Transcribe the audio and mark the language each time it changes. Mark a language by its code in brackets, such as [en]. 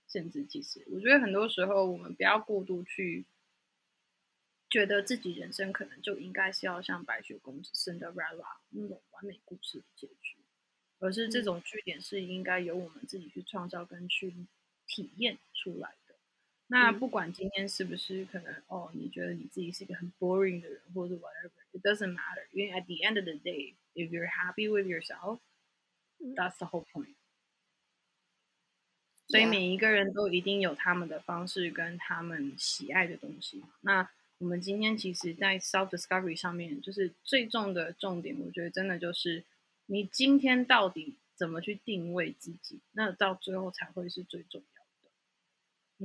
[zh] 甚至其实我觉得很多时候我们不要过度去觉得自己人生可能就应该是要像白雪公主 Cinderella 那种完美故事的结局，而是这种据点是应该由我们自己去创造跟去体验出来的。那不管今天是不是可能，哦，你觉得你自己是一个很 boring 的人或者 [en] whatever, it doesn't matter, [zh] 因为 [en] at the end of the day, if you're happy with yourself, that's the whole point. [zh] 所以每一个人都一定有他们的方式跟他们喜爱的东西。那我们今天其实在 self discovery 上面就是最重的重点，我觉得真的就是你今天到底怎么去定位自己，那到最后才会是最重要的。